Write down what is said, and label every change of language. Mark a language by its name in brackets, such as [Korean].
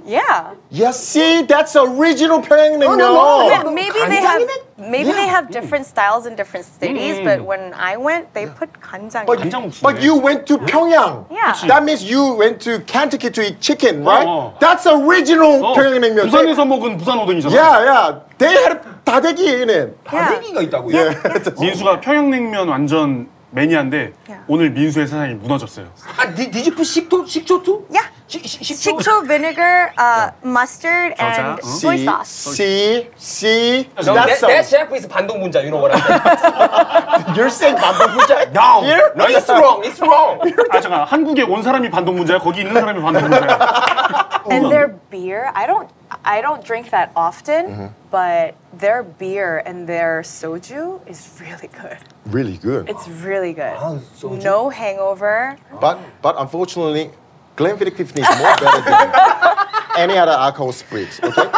[English] Yeah. Yeah, see, that's original 평양 냉면. Oh, no, no. Yeah, maybe they have... Maybe yeah. they have different styles in different cities, but when I went, they put 간장. But you went to Pyongyang. Yeah. That means you went to Kentucky to eat chicken, right? That's original Pyongyang 냉면. [Korean] 부산에서 먹은 부산 오뎅이잖아. [English] Yeah, yeah. They had 다대기 in it. [Korean] 다대기가 있다고요? [English] Yeah. [Korean] 민수가 평양 냉면 완전 매니아인데 오늘 민수의 세상이 무너졌어요. [English] 아, did you put 식초 too? Yeah. 식초 vinegar, mustard, and soy sauce. See? That chef is 반동분자, you know what I mean? You're saying 반동분자? No. Here? No, it's wrong. It's wrong. [Korean] 아, 잠깐. 한국에 온 사람이 반동분자야? 거기 있는 사람이 반동분자야? [English] And their beer, I don't drink that often, mm-hmm. but their beer and their soju is really good. Really good? It's really good. Oh, soju. No hangover. But unfortunately, Glenfiddich 50 is more better than any other alcohol spritz, okay?